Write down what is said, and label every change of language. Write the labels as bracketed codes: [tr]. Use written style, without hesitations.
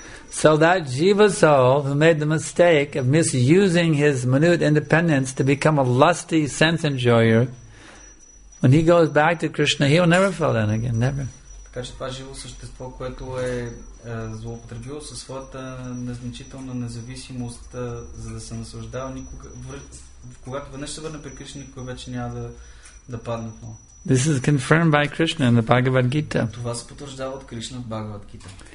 [en] So that jiva soul who made the mistake of misusing his minute independence to become a lusty sense enjoyer, when he goes back to Krishna, he will never fall down again, never. [bg] Така че това живо същество, което е злоупотребило със своята незначителна независимост, за да се наслаждава никога. Когато веднъж се върне при Кришна, никога вече няма да падне отново. [en] This is confirmed by Krishna in the Bhagavad Gita. [bg] Това се потвърждава от Кришна в Бхагавад Гита.